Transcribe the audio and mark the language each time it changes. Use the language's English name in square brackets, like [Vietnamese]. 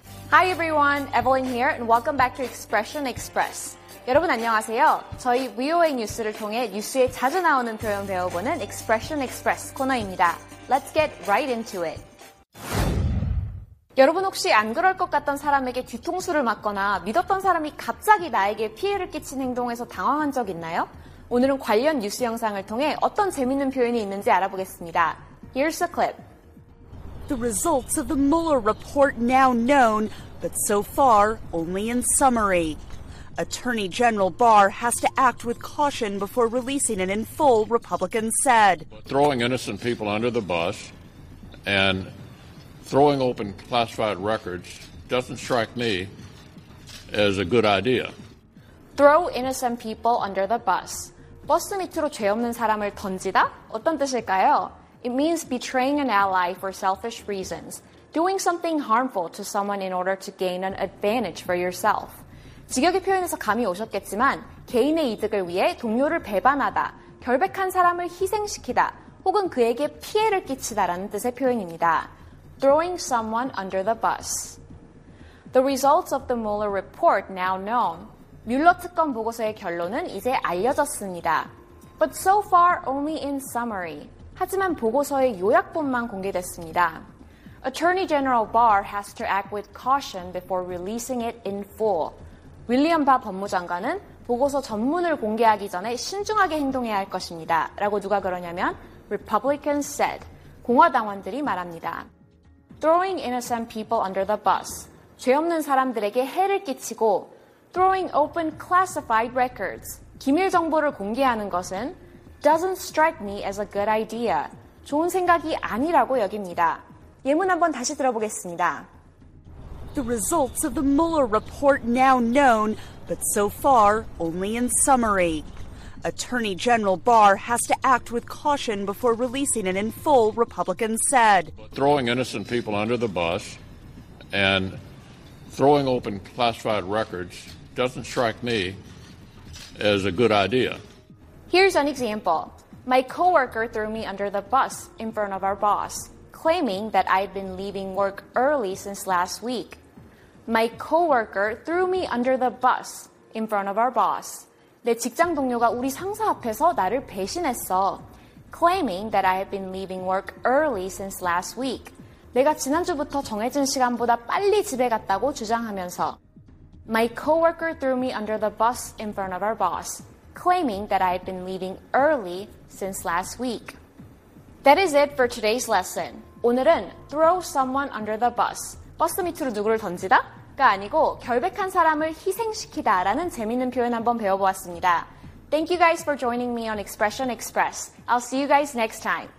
[English] Hi everyone, Evelyn here and welcome back to Expression Express. [Korean] 여러분 안녕하세요. 저희 VOA 뉴스를 통해 뉴스에 자주 나오는 표현 배워보는 Expression Express 코너입니다. [English] Let's get right into it. [Korean] 여러분 혹시 안 그럴 것 같던 사람에게 뒤통수를 맞거나 믿었던 사람이 갑자기 나에게 피해를 끼친 행동에서 당황한 적 있나요? 오늘은 관련 뉴스 영상을 통해 어떤 재밌는 표현이 있는지 알아보겠습니다. [English] Here's a clip. The results of the Mueller report now known, but so far only in summary. Attorney General Barr has to act with caution before releasing it in full, Republicans said. Throwing innocent people under the bus and throwing open classified records doesn't strike me as a good idea. Throw innocent people under the bus. [Korean] 버스 밑으로 죄 없는 사람을 던지다? 어떤 뜻일까요? [English] It means betraying an ally for selfish reasons. Doing something harmful to someone in order to gain an advantage for yourself. [Korean] 직역의 표현에서 감이 오셨겠지만 개인의 이득을 위해 동료를 배반하다, 결백한 사람을 희생시키다, 혹은 그에게 피해를 끼치다라는 뜻의 표현입니다. [English] Throwing someone under the bus. The results of the Mueller report now known. [Korean] 뮬러 특검 보고서의 결론은 이제 알려졌습니다. [English] But so far only in summary. [Korean] 하지만 보고서의 요약본만 공개됐습니다. [English] Attorney General Barr has to act with caution before releasing it in full. [Korean] 윌리엄 바 법무장관은 보고서 전문을 공개하기 전에 신중하게 행동해야 할 것입니다. 라고 누가 그러냐면 [English] Republicans said. [Korean] 공화당원들이 말합니다. [English] Throwing innocent people under the bus. [Korean] 죄 없는 사람들에게 해를 끼치고 [English] Throwing open classified records. [Korean] 기밀 정보를 공개하는 것은 [English] doesn't strike me as a good idea. [Korean] 좋은 생각이 아니라고 여깁니다. 예문 한번 다시 들어보겠습니다. [English] The results of the Mueller report now known, but so far only in summary. Attorney General Barr has to act with caution before releasing it in full, Republicans said. Throwing innocent people under the bus and throwing open classified records doesn't strike me as a good idea. Here's an example. My coworker threw me under the bus in front of our boss, claiming that I'd been leaving work early since last week. My coworker threw me under the bus in front of our boss. [Korean] 내 직장 동료가 우리 상사 앞에서 나를 배신했어. [English] Claiming that I had been leaving work early since last week. [Korean] 내가 지난주부터 정해진 시간보다 빨리 집에 갔다고 주장하면서. [English] My coworker threw me under the bus in front of our boss, claiming that I had been leaving early since last week. That is it for today's lesson. [Korean] 오늘은 [English] throw someone under the bus, [Korean] 버스 밑으로 누구를 던지다? 가 아니고 결백한 사람을 희생시키다 라는 재밌는 표현 한번 배워보았습니다. [English] Thank you guys for joining me on Expression Express. I'll see you guys next time.